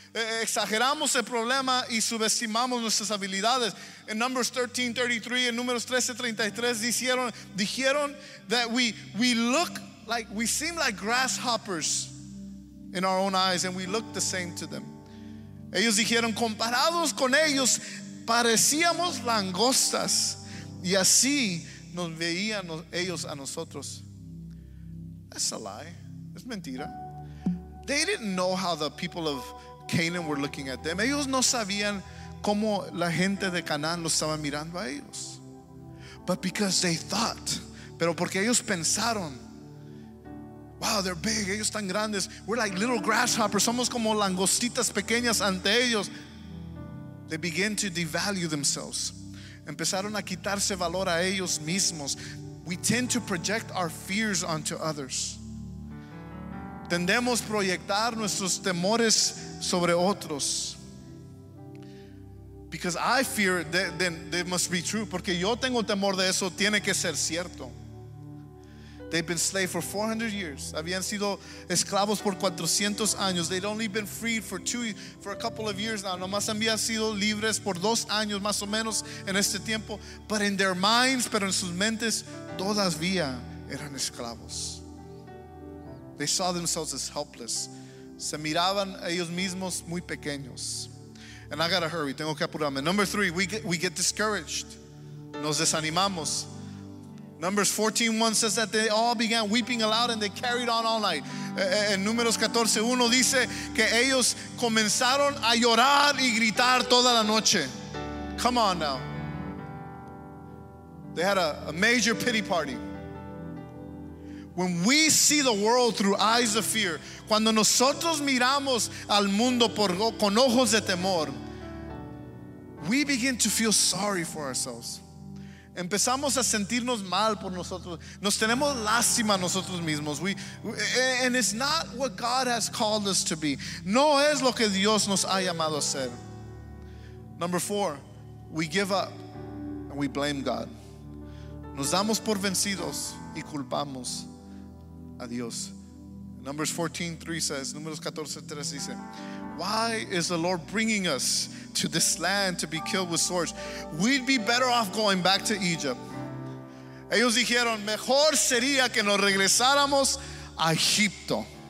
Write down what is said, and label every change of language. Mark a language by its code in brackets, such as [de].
[es] Exageramos el problema y subestimamos nuestras habilidades. [en] In Numbers 13:33 and [es] Números 13:33 dijeron [en] that we look like, we seem like grasshoppers in our own eyes and we look the same to them. [es] Ellos dijeron, comparados con ellos, parecíamos langostas. Y así nos veían ellos a nosotros. [en] That's a lie. [es] Es mentira. [en] They didn't know how the people of Canaan were looking at them. [es] Ellos no sabían cómo la gente de Canaán los estaba mirando a ellos. [en] But because they thought, [es] pero porque ellos pensaron, [en] wow, they're big, [es] ellos están grandes. [en] We're like little grasshoppers, [es] somos como langostitas pequeñas ante ellos. [en] They began to devalue themselves. [es] Empezaron a quitarse valor a ellos mismos. [en] We tend to project our fears onto others. [es] Tendemos a proyectar nuestros temores sobre otros. [en] Because I fear that, then it must be true. [es] Porque yo tengo temor de eso, tiene que ser cierto. [en] They've been slaves for 400 years. [es] Habían sido esclavos por 400 años. [en] They'd only been freed for a couple of years now. [es] Nomás habían sido libres por 2 años más o menos en este tiempo. [en] But in their minds, [es] pero en sus mentes, todavía eran esclavos. [en] They saw themselves as helpless. [es] Se miraban ellos mismos muy pequeños. [en] And I gotta hurry. [es] Tengo que apurarme. [en] Number three, we get discouraged. [es] Nos desanimamos. [en] Numbers 14:1 says that they all began weeping aloud and they carried on all night. [es] En Números 14:1 dice que ellos comenzaron a llorar y gritar toda la noche. [en] Come on now. They had a major pity party. When we see the world through eyes of fear, [es] cuando nosotros miramos al mundo con ojos de temor, [en] we begin to feel sorry for ourselves. [es] Empezamos a sentirnos mal por nosotros. Nos tenemos lástima a nosotros mismos. [en] And it's not what God has called us to be. [es] No es lo que Dios nos ha llamado a ser. [en] Number four, we give up and we blame God. [es] Nos damos por vencidos y culpamos a Dios. [en] Numbers 14:3 says, [es] Números 14:3 dice, [en] why is the Lord bringing us to this land to be killed with swords? We'd be better off going back to Egypt. [es] Ellos dijeron, mejor sería que nos regresáramos a Egipto.